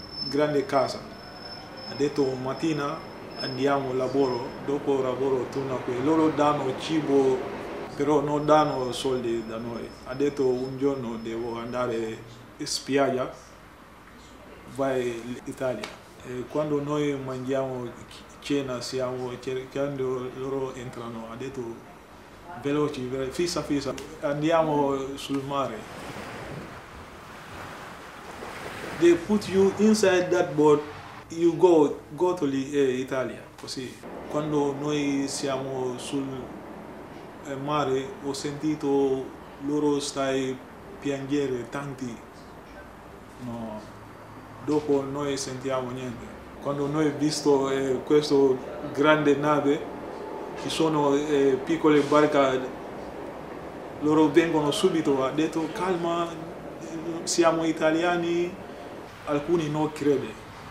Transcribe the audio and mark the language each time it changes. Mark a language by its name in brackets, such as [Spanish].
[Italian] grande casa, ha detto mattina andiamo al lavoro, dopo il lavoro torna qui, loro danno cibo però non danno soldi da noi, ha detto un giorno devo andare in spiaggia, vai in Italia. E quando noi mangiamo cena siamo cercando, loro entrano, ha detto veloci, veloci, fissa fissa, andiamo sul mare. [English] They put you inside that boat, you go to Italia, così. [Italian] Quando noi siamo sul mare ho sentito loro stai piangere tanti, no. Dopo noi sentiamo niente. Quando noi visto questa grande nave, ci sono piccole barche, loro vengono subito, ha detto calma, siamo italiani, alcuni non crede.